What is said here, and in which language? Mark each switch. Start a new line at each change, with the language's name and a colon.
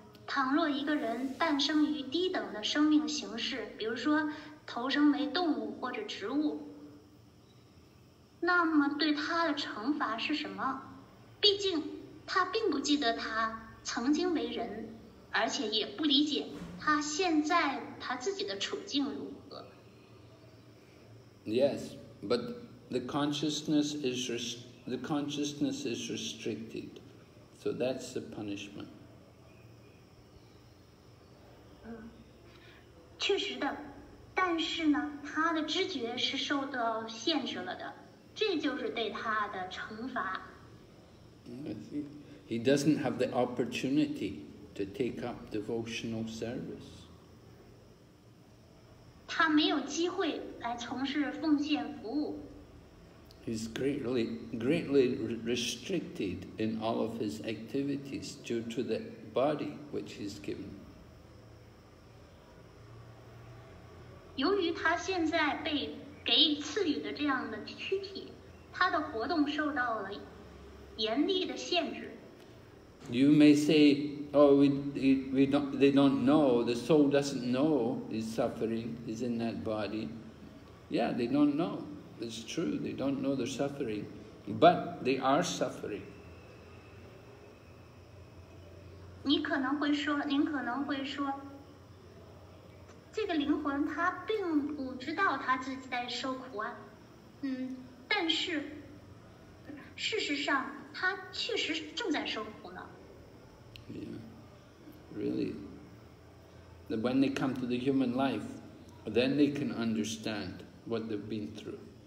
Chinese: 倘若一个人诞生于低等的生命形式，比如说投生为动物或者植物，那么对他的惩罚是什么？毕竟他并不记得他曾经为人，而且也不理解他现在他自己的处境如何。
English: Yes, but the consciousness is restricted, so that's the punishment.
Chinese: 确实的，但是呢，他的知觉是受到限制了的，这就是对他的惩罚。
English: He doesn't have the opportunity to take up devotional service.
Chinese: 他没有机会来从事奉献服务。
English: He's greatly, greatly restricted in all of his activities due to the body which he's given.
Chinese: 由于他现在被给予赐予的这样的躯体，他的活动受到了严厉的限制。
English: You may say, they don't know, the soul doesn't know his suffering is in that body. Yeah, they don't know. It's true, they don't know their suffering, but they are suffering.
Chinese: 您可能会说这个灵魂他并不知道他自己在受苦啊，但是事实上他确实正在受苦呢。
English: Yeah, really. When they come to the human life, then they can understand what they've been through.